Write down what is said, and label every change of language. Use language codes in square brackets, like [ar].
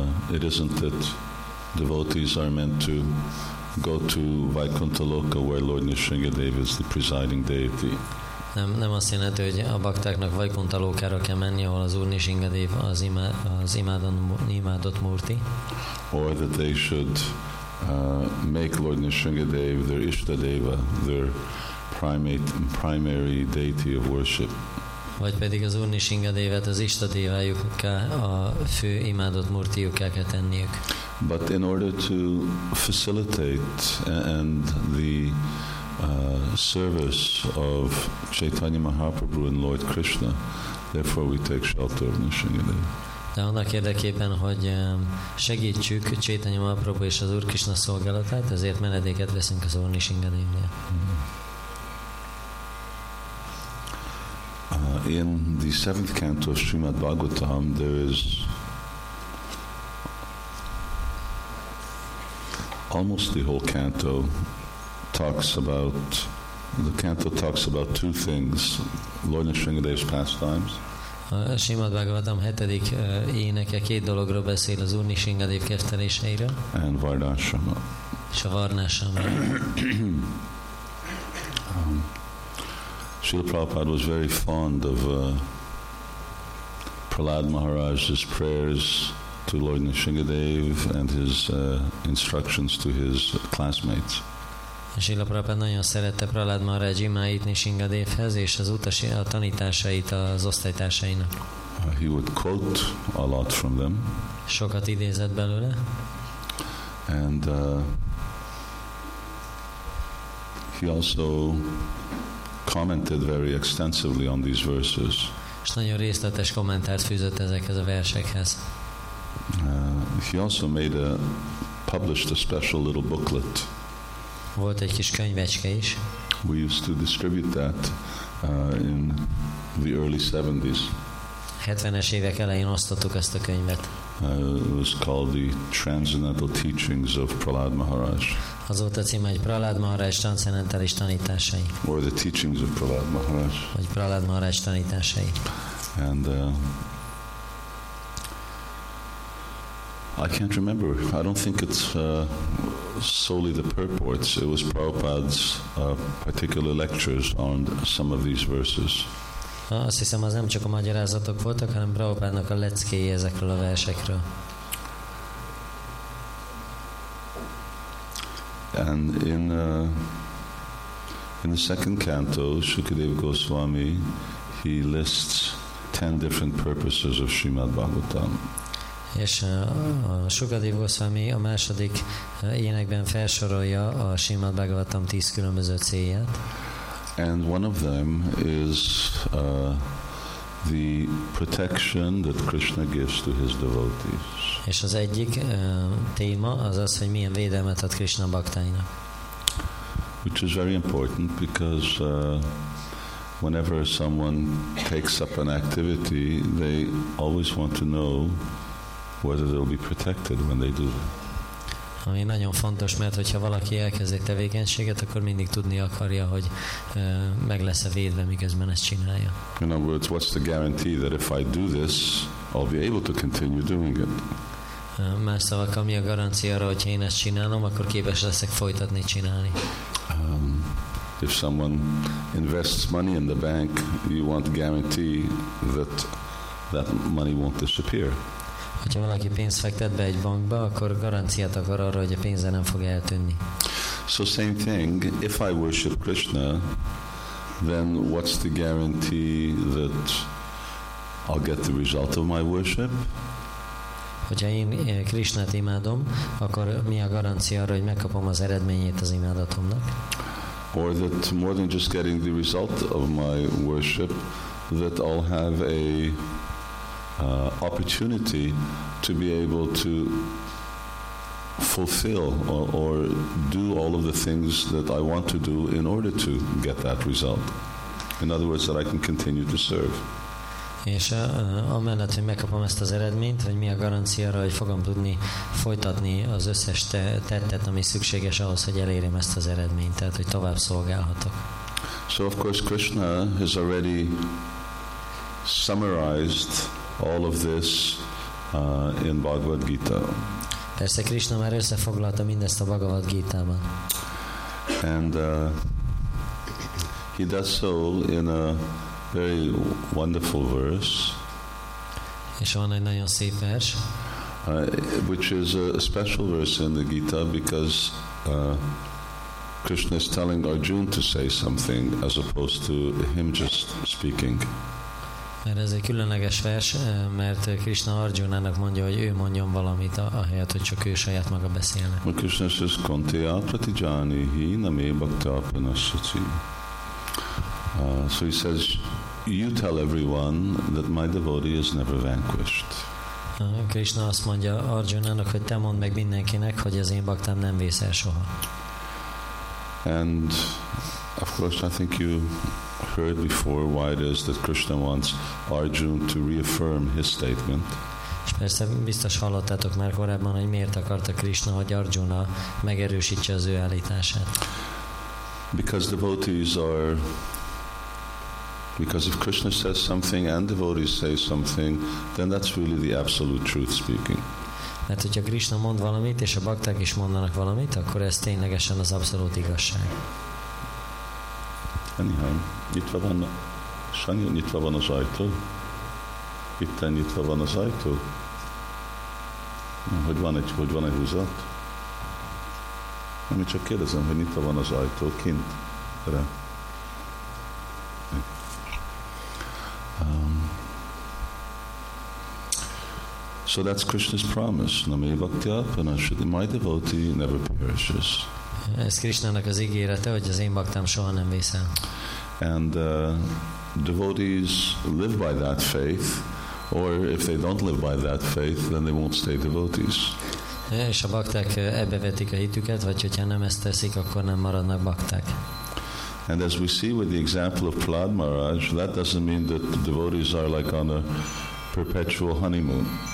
[en] It isn't that devotees are meant to go to Vaikuntha Loka where Lord Nisringadev is the presiding deity. [hu] Nem azt jelenti, hogy a baktáknak Vaikuntha Lokára kell menni, ahol az Úr Nisringadev az imádott murti. [en] Or that they should make Lord Nisringadev their Ishtadeva, their primary deity of worship. [hu] Vagy pedig az Úr Nisringadevet az Ishtadevájukká, a fő imádott murtijukká kell tenniük. [en] But in order to facilitate and the service of Chaitanya Mahaprabhu and Lord Krishna, therefore we take shelter of Nisringadev. [hu] De annak érdekében, hogy segítsük Chaitanya Mahaprabhu és az Úr Krishna szolgálatát, ezért menedéket veszünk az Úr Nisringadevnél. [en] In the seventh canto of Srimad Bhagavatam, there is almost the whole canto talks about, the canto talks about two things, Lord Nisringadev's pastimes. [hu] A Srimad Bhagavatam hetedik éneke két dologról beszél, az Úr Nisringadev kefteléseiről. [en] And Vardashrama. [hu] És a Vardashrama. [en] Srila Prabhupada was very fond of Prahlad Maharaj's prayers to Lord Nisringadev and his instructions to his classmates. [hu] Srila Prabhupada nagyon szerette Prahlad Maharaj imáit Nisringadevhez és az utasi a tanításait az osztálytársainak. [en] He would quote a lot from them. [hu] Sokat idézett belőle. [en] And he also commented very extensively on these verses. [hu] És nagyon részletes kommentárt fűzött ezekhez a versekhez. [en] He also published a special little booklet. [hu] Volt egy kis könyvecske is. [en] We used to distribute that in the early 70s. [hu] 70-es évek elején osztottuk ezt a könyvet. [en] It was called the Transcendental Teachings of Prahlad Maharaj. [hu] Az volt a címe, hogy Prahlad Maharaj transzcendentális tanításai. [en] Or the teachings of Prahlad Maharaj. [hu] Vagy Prahlad Maharaj tanításai. [en] And I can't remember. I don't think it's solely the purports. It was Prabhupada's particular lectures on some of these verses. [hu] Azt hiszem, az nem csak a magyarázatok voltak, hanem Prabhupádnak a leckéje ezekről a versekről. [en] And in the second canto, Shukadeva Goswami, he lists 10 different purposes of Srimad Bhagavatam. [hu] És a Shukadeva Goswami a második énekben felsorolja a Srimad Bhagavatam 10 különböző célját. [en] And one of them is the protection that Krishna gives to his devotees. [hu] És az egyik téma az az, hogy milyen védelmet ad Krishna baktáinak. [en] Which is very important because whenever someone takes up an activity, they always want to know whether they'll be protected when they do that. [hu] Ami nagyon fontos, mert hogyha valaki elkezd egy tevékenységet, akkor mindig tudni akarja, hogy meg lesz-e védve, miközben ezt csinálja. [en] In other words, what's the guarantee that if I do this, I'll be able to continue doing it? [hu] Más szavakkal, mi a garancia arra, hogy én ezt csinálom, akkor képes leszek folytatni csinálni. [en] If someone invests money in the bank, you want guarantee that money won't disappear. [hu] Hogyha valaki pénzt fektet be egy bankba, akkor garanciát akar arra, hogy a pénze nem fog eltűnni. [en] So same thing, if I worship Krishna, then what's the guarantee that I'll get the result of my worship? [hu] Hogyha én Krishnát imádom, akkor mi a garancia arra, hogy megkapom az eredményét az imádatomnak? [en] or that more than just getting the result of my worship, that I'll have a opportunity to be able to fulfill or do all of the things that I want to do in order to get that result. In other words, that I can continue to serve. [hu] És amellett, hogy megkapom ezt az eredményt, hogy mi a garancia arra, hogy fogom tudni folytatni az összes tettet, ami szükséges ahhoz, hogy elérjem ezt az eredményt, tehát hogy tovább szolgálhatok. [en] So of course Krishna has already summarized all of this in Bhagavad Gita. [hu] Persze Krishna már összefoglalta mindezt a Bhagavad Gita-ban. [en] And he does so in a very wonderful verse. [hu] És van egy nagyon szép vers, [en] which is a special verse in the Gita because Krishna is telling Arjuna to say something as opposed to him just speaking. [hu] Mert ez egy különleges vers, mert Krishna Arjunának mondja, hogy ő mondjon valamit, ahelyett, hogy csak ő saját maga beszélne. Mert [en] Krishna says, [sa] Kunti atrati janihi namé bhakti apanasuci. [en] So he says, you tell everyone that my devotee is never vanquished. [hu] Krishna azt mondja Arjunának, hogy te mondd meg mindenkinek, hogy az én baktám nem vész el soha. [en] And of course I think you heard before why it is that Krishna wants Arjuna to reaffirm his statement. [hu] És persze biztos hallottátok már korábban, hogy miért akarta Krishna, hogy Arjuna megerősítse az ő állítását. [en] Because devotees are because if Krishna says something and devotees say something, then that's really the absolute truth speaking. [hu] Mert hogyha Krishna mond valamit, és a bakták is mondanak valamit, akkor ez ténylegesen az abszolút igazság. Anyhá, nyitva van a... Sanyi, nyitva van az ajtó? Itten nyitva van az ajtó? Hogy van egy húzat? Nem, én csak kérdezem, hogy nyitva van az ajtó kint. Re. [en] So that's Krishna's promise. [sa] Namé bhaktya panashati. [en] My devotee never perishes. [hu] Ez Krishnának az ígérete, hogy az én baktám soha nem vész el. [en] And devotees live by that faith, or if they don't live by that faith, then they won't stay devotees. És a bakták ebbe vetik a hitüket, vagy hogyha nem ezt teszik, akkor nem maradnak bakták. And as we see with the example of Prahlad Maharaj, that doesn't mean that the devotees are like on a perpetual honeymoon.